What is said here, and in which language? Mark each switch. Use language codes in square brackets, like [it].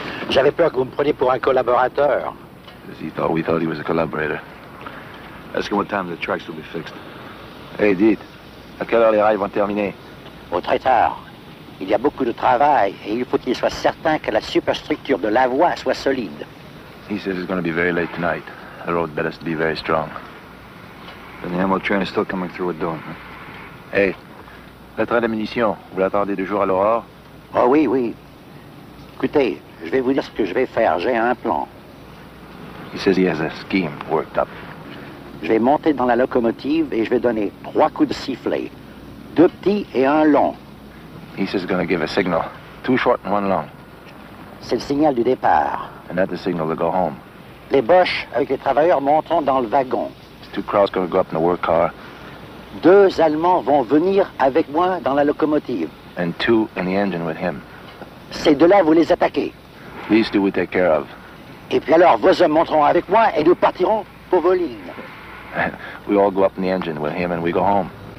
[fr] J'avais peur que vous me preniez pour un collaborateur. [en] We thought he was a collaborator. Ask him what time the tracks will be fixed. [fr] Hey, dites, à quelle heure les rails vont terminer? Au très tard. Il y a beaucoup de travail et il faut qu'il soit certain que la superstructure de la voie soit solide. [en] He says it's going to be very late tonight. The road better be very strong. Then the ammo train is still coming through at dawn. [fr] Hey, le train de munitions, vous l'attendez de jour à l'aurore? Oh oui, oui. Écoutez, je vais vous dire ce que je vais faire. J'ai un plan. [en] He says he has a scheme worked up. [fr] Je vais monter dans la locomotive et je vais donner trois coups de sifflet. Deux petits et un long. [en] He says he's going to give a signal. Two short and one long. [fr] C'est le signal du départ. [en] And that's the signal to go home. [fr] Les boches avec les travailleurs montant dans le wagon. [en] These two crowds going to go up in the work car. [fr] Deux Allemands vont venir avec moi dans la locomotive. [en] And two in the engine with him. [fr] Ces deux-là, vous les attaquez. [en] These two we take care of. [fr] Et puis alors, vos hommes monteront avec moi et nous partirons pour vos lignes. [en] We all go up in the engine with him and we go home.